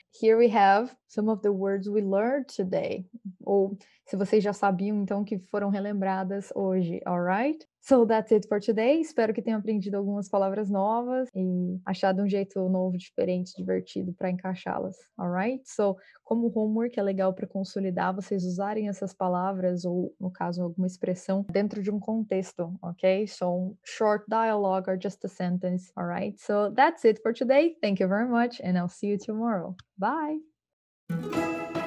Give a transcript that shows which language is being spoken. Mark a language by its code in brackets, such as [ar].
[en] Here we have some of the words we learned today. [pt] Ou, se vocês já sabiam, então, que foram relembradas hoje, alright? [en] So, that's it for today. [pt] Espero que tenham aprendido algumas palavras novas e achado um jeito novo, diferente, divertido para encaixá-las, alright? So, como homework é legal para consolidar vocês usarem essas palavras ou, no caso, alguma expressão dentro de um contexto, ok? [en] So, um short dialogue or just a sentence, alright? So, that's it for today. Thank you very much and I'll see you tomorrow. Bye!